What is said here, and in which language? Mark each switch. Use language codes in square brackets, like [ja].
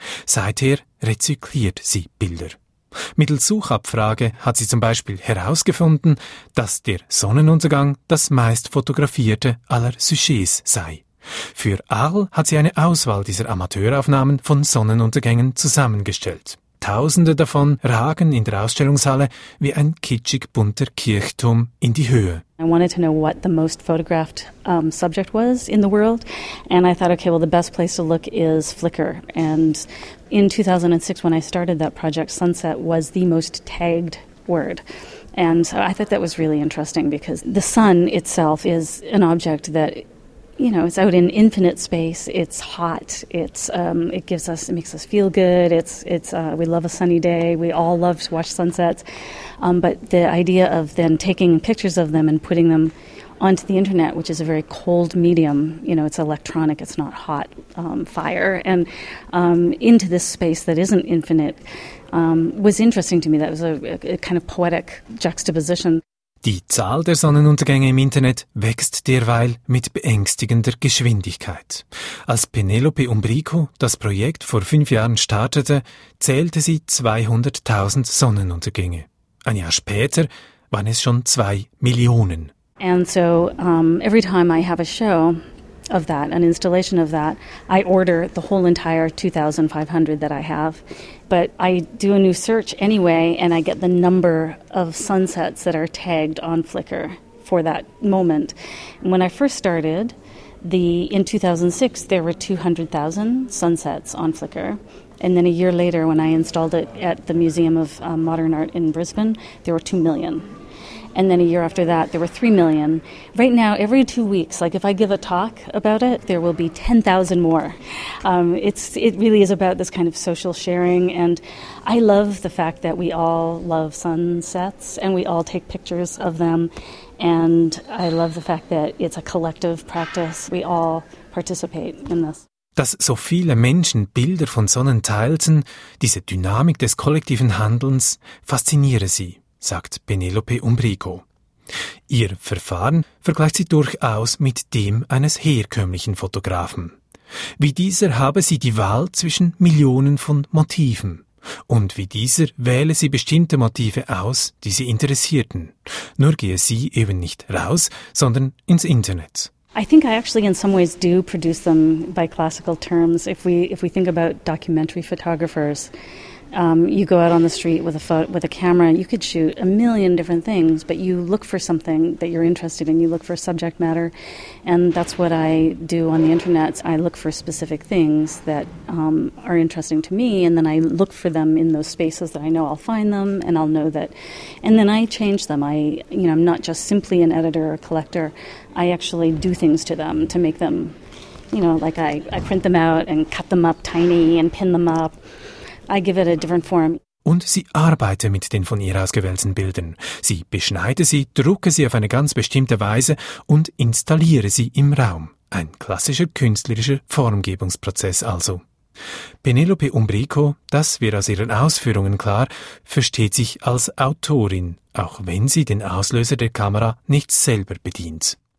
[de] Seither rezykliert sie Bilder. Mittels Suchabfrage hat sie zum Beispiel herausgefunden, dass der Sonnenuntergang das meist fotografierte aller Sujets sei. Für Arles hat sie eine Auswahl dieser Amateuraufnahmen von Sonnenuntergängen zusammengestellt. Tausende davon ragen in der Ausstellungshalle wie ein kitschig bunter Kirchturm in die Höhe. [en] I wanted to know what the most photographed subject was in the world, and I thought, okay, well, the best place to look is Flickr. And in 2006, when I started that project, sunset was the most tagged word. And so I thought that was really interesting because the sun itself is an object that, you know, it's out in infinite space. It's hot. It makes us feel good. We love a sunny day. We all love to watch sunsets. But the idea of then taking pictures of them and putting them onto the internet, which is a very cold medium, you know, it's electronic, it's not hot fire, and into this space that isn't infinite, was interesting to me. That was a kind of poetic juxtaposition. [de] Die Zahl der Sonnenuntergänge im Internet wächst derweil mit beängstigender Geschwindigkeit. Als Penelope Umbrico das Projekt vor 5 Jahren startete, zählte sie 200.000 Sonnenuntergänge. Ein Jahr später waren es schon 2 Millionen. [en] And so every time I have a show of that, an installation of that, I order the whole entire 2,500 that I have. But I do a new search anyway, and I get the number of sunsets that are tagged on Flickr for that moment. And when I first started, in 2006, there were 200,000 sunsets on Flickr. And then a year later, when I installed it at the Museum of Modern Art in Brisbane, there were 2 million. And then a year after that, there were 3 million. Right now, every 2 weeks, like if I give a talk about it, there will be 10,000 more. It really is about this kind of social sharing. And I love the fact that we all love sunsets and we all take pictures of them. And I love the fact that it's a collective practice. We all participate in this. [de] Dass so viele Menschen Bilder von Sonnen teilten, diese Dynamik des kollektiven Handelns, fasziniere sie, sagt Penelope Umbrico. Ihr Verfahren vergleicht sie durchaus mit dem eines herkömmlichen Fotografen. Wie dieser habe sie die Wahl zwischen Millionen von Motiven. Und wie dieser wähle sie bestimmte Motive aus, die sie interessierten. Nur gehe sie eben nicht raus, sondern ins Internet. [en] I think I actually in some ways do produce them by classical terms. If we think about documentary photographers, you go out on the street with a camera, and you could shoot a million different things, but you look for something that you're interested in. You look for subject matter, and that's what I do on the internet. I look for specific things that are interesting to me, and then I look for them in those spaces that I know I'll find them, and I'll know that. And then I change them. I'm not just simply an editor or a collector. I actually do things to them to make them, you know, like I print them out and cut them up tiny and pin them up. I give it a different form. [de] Und sie arbeite mit den von ihr ausgewählten Bildern. Sie beschneide sie, drucke sie auf eine ganz bestimmte Weise und installiere sie im Raum. Ein klassischer künstlerischer Formgebungsprozess also. Penelope Umbrico, das wird aus ihren Ausführungen klar, versteht sich als Autorin, auch wenn sie den Auslöser der Kamera nicht selber bedient.